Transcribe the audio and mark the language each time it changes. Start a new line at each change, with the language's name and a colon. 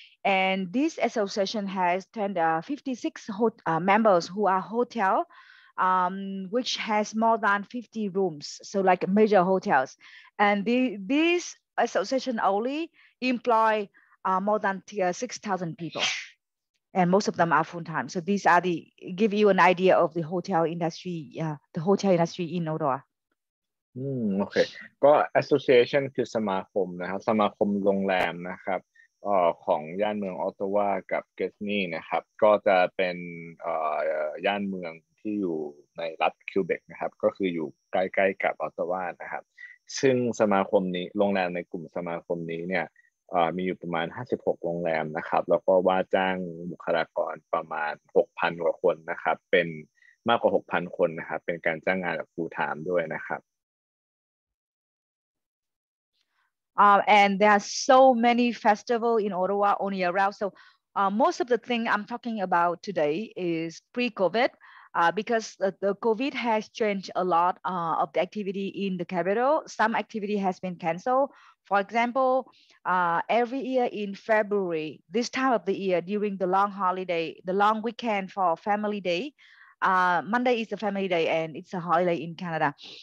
English: And this association has 56 members who are hotel, which has more than 50 rooms, so like major hotels. And this association only employ more than 6,000 people, and most of them are full time. So these are the give you an idea of the hotel industry. Yeah, the hotel industry in Ottawa.
Thai: โอเคก็ association คือสมาคมนะครับสมาคมโรงแรมนะครับของย่านเมืองออตตาวากับเกสนี่นะครับก็จะเป็นย่านเมืองที่อยู่ในรัฐควิเบกนะครับก็คืออยู่ใกล้ๆกับออตตาวานะครับซึ่งสมาคมนี้โรงแรมในกลุ่มสมาคมนี้เนี่ยมีอยู่ประมาณ56โรงแรมนะครับแล้วก็ว่าจ้างบุคลากรประมาณ 6,000 กว่าคนนะครับเป็นมากกว่า 6,000 คนนะครับเป็นการจ้างงานแบบ full time ด้วยนะครับ
English: And there are so many festivals in Ottawa on year round. So most of the thing I'm talking about today is pre-COVID, because the COVID has changed a lot of the activity in the capital. Some activity has been canceled. For example, every year in February, this time of the year, during the long holiday, the long weekend for family day, Monday is the family day and it's a holiday in Canada.